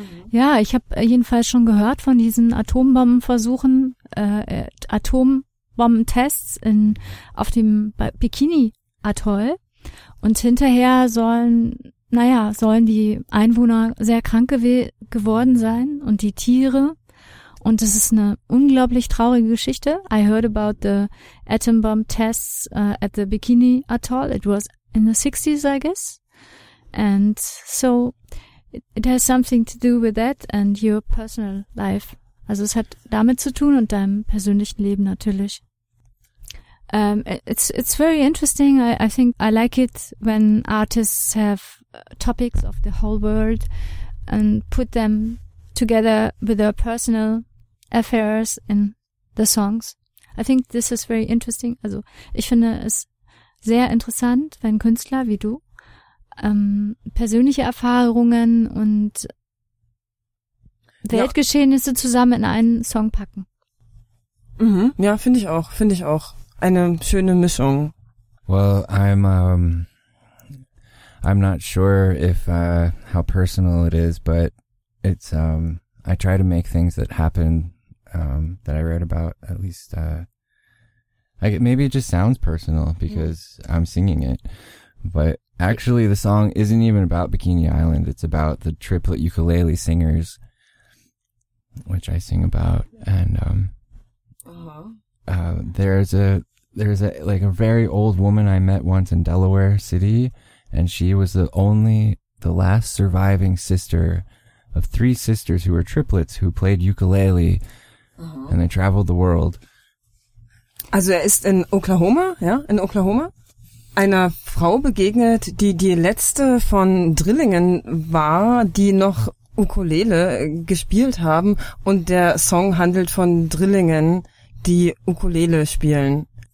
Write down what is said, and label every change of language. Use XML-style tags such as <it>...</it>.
<de>Ja, ich habe jedenfalls schon gehört von diesen Atombombenversuchen, Atombombentests auf dem Bikini-Atoll. Und hinterher sollen die Einwohner sehr krank geworden sein und die Tiere. Und es ist eine unglaublich traurige Geschichte.</de> <en>I heard about the atom bomb tests at the Bikini Atoll. It was in the 60s, I guess. And so it has something to do with that and your personal life.</en> <de>Also es hat damit zu tun und deinem persönlichen Leben natürlich.</de> <en>It's very interesting. I think I like it when artists have topics of the whole world and put them together with their personal affairs in the songs. I think this is very interesting.</en> <de>Also, ich finde es sehr interessant, wenn Künstler wie du persönliche Erfahrungen und Weltgeschehnisse zusammen in einen Song packen. Mhm. Ja, finde ich auch. Finde ich auch. Eine schöne Mischung.</de> <en>Well, I'm not sure if how personal it is, but it's I try to make things that happen that I wrote about at least maybe it just sounds personal because I'm singing it, but actually the song isn't even about Bikini Island. It's about the triplet ukulele singers, which I sing about, and there's a like a very old woman I met once in Delaware City. And she was the last surviving sister of three sisters who were triplets who played ukulele. Uh-huh. And they traveled the world.</en> <de>Also ist in Oklahoma, ja, in Oklahoma, einer Frau begegnet, die die letzte von Drillingen war, die noch Ukulele gespielt haben. Und der Song handelt von Drillingen, die Ukulele spielen.</de>